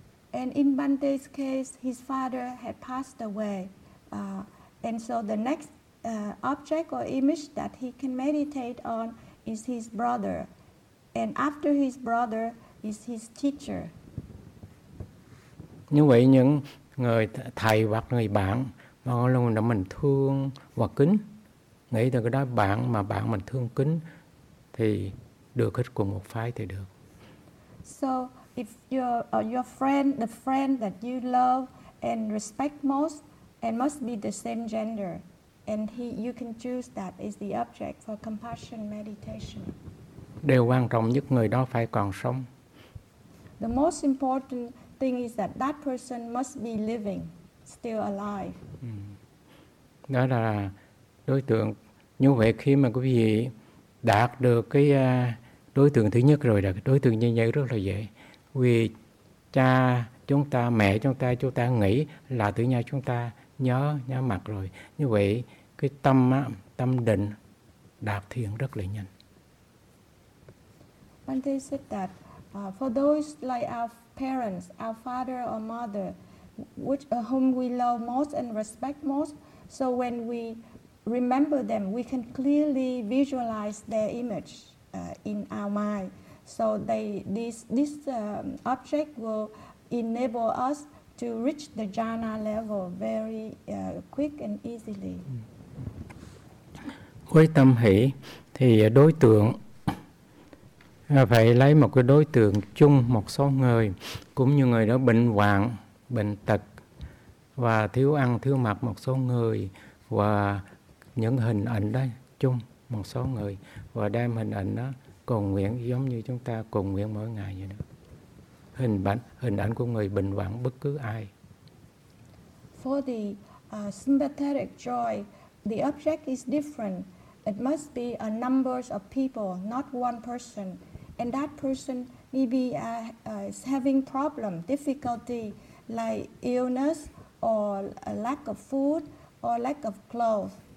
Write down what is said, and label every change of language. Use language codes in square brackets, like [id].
[en] And in Bhante's case, his father had passed away. And so the next object or image that he can meditate on is his brother. And after his brother is his teacher. [vi] Như vậy những người thầy hoặc người bạn mà luôn là mình thương và kính, nghĩ từ cái đó bạn mà bạn mình thương kính thì được hết cùng một phái thì được. [en] So if your friend, the friend that you love and respect most and must be the same gender, and he, you can choose that as the object for compassion meditation. [vi] Điều quan trọng nhất người đó phải còn sống. [en] The most important thing is that that person must be living, still alive. [vi] Đó là đối tượng. Như vậy khi mà quý vị đạt được cái đối tượng thứ nhất rồi, đối tượng như vậy rất là dễ. Vì cha chúng ta, mẹ chúng ta nghĩ là tự nhiên chúng ta nhớ, nhớ mặt rồi. Như vậy, cái tâm á, tâm định đạt thiền rất là nhanh. [en] Bhante said that for those like our parents, our father or mother, which whom we love most and respect most, so when we remember them, we can clearly visualize their image in our mind. So this object will enable us to reach the jhana level very quick and easily. [vi] Với tâm hỷ thì đối tượng phải lấy một cái đối tượng chung, một số người cũng như người đó bệnh hoạn, bệnh tật và thiếu ăn thiếu mặc, một số người và những hình ảnh đó chung một số người và đem hình ảnh đó cầu nguyện giống như chúng ta cầu nguyện mỗi ngày vậy đó. Hình ảnh của người bệnh hoạn bất cứ ai. [en] For the sympathetic joy, the object is different. It must be a numbers of people, not one person. And that person may be is having problem, difficulty, like illness or a lack of food or lack of clothes.